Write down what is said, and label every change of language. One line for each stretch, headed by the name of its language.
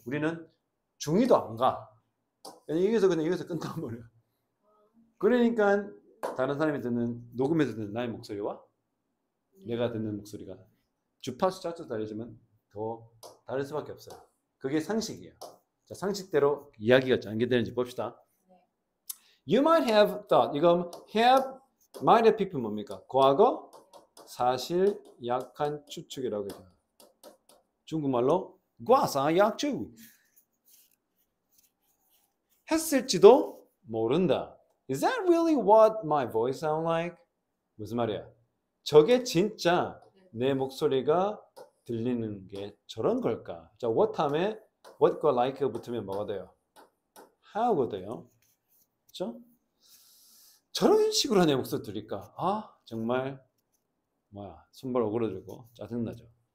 Korean: 우리는 중이도 안 가. 여기서 그냥 여기서 끝나버려. 그러니까 다른 사람이 듣는 녹음에서 듣는 나의 목소리와 내가 듣는 목소리가 주파수 자체도 다르지만 더 다를 수밖에 없어요. 그게 상식이에요. 자, 상식대로 이야기가 전개되는지 봅시다.
English: You might have thought, 이거 have, might have people 뭡니까?
Korean: 과거, 사실, 약한 추측이라고 해요. 중국말로 과사 약추 했을지도 모른다.
English: Is that really what my voice sound like?
Korean: 무슨 말이야? 저게 진짜 내 목소리가 들리는 게 저런 걸까? 자, what 하면 What과 like 붙으면 뭐가 돼요? How가 돼요? 그렇죠? 저런 식으로 내 목소리 들릴까? 아, 정말 뭐야, 손발 오그라들고 짜증나죠.